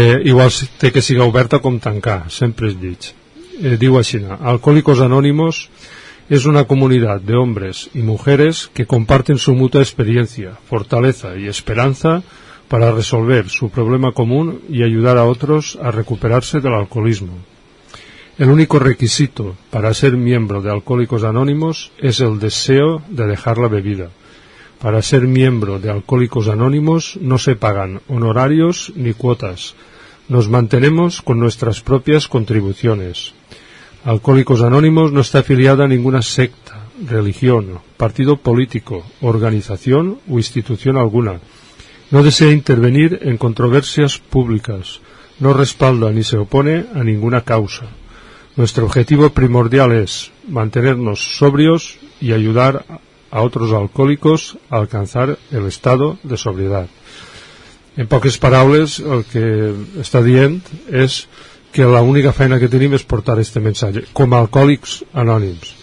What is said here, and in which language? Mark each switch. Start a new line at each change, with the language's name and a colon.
Catalan: Igual té que siga oberta com tancar, sempre es llegeix. Diu així: Alcohólicos Anónimos és una comunitat d'homes i
Spanish: mujeres que comparten su mutua
Catalan: experiència, fortaleza i esperança per a resolver su problema comú i ajudar a altres a recuperar-se de l'alcoholisme.
Spanish: El único requisito para ser miembro de Alcohólicos Anónimos es el deseo de dejar la bebida. Para ser miembro de Alcohólicos Anónimos no se pagan honorarios ni cuotas. Nos mantenemos con nuestras propias contribuciones. Alcohólicos Anónimos no está afiliada a ninguna secta, religión, partido político, organización o institución alguna. No desea intervenir en controversias públicas. No respalda ni se opone a ninguna causa. Nuestro objetivo primordial es mantenernos sobrios y ayudar a otros alcohólicos a alcanzar el estado de sobriedad.
Catalan: En poques paraules, el que està dient és que la única feina que tenim és portar este missatge, com a Alcohòlics Anònims.